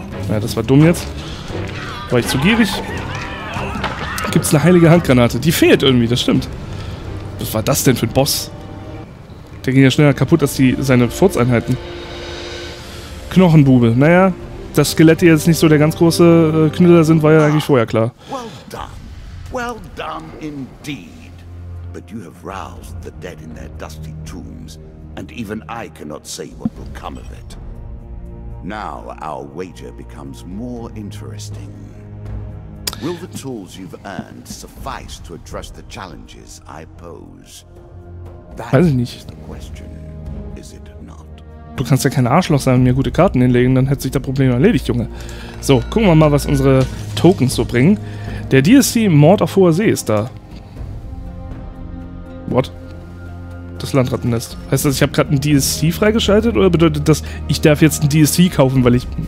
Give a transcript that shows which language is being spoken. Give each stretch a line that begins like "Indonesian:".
German: Ja, das war dumm jetzt. War ich zu gierig? Gibt's eine heilige Handgranate? Die fehlt irgendwie, das stimmt. Was war das denn für ein Boss? Der ging ja schneller kaputt als seine Furzeinheiten. Knochenbube. Naja, dass Skelette jetzt nicht so der ganz große Knüller sind, war ja eigentlich vorher klar.
English: Well done. Well done indeed. But you have roused the dead in their dusty tombs. And even I cannot say what will come of it. Now our wager becomes more interesting. Will the tools you've earned suffice to address the challenges I pose?
German: Weiß ich nicht.
English: The question, is it not?
German: Du kannst ja kein Arschloch sein und mir gute Karten hinlegen, dann hätte sich das Problem erledigt, Junge. So, gucken wir mal, was unsere Tokens so bringen. Der DSC Mord auf hoher See ist da.
English: What?
German: Das Landrattennest. Heißt das, ich habe gerade ein DSC freigeschaltet oder bedeutet das, ich darf jetzt ein DSC kaufen, weil ich...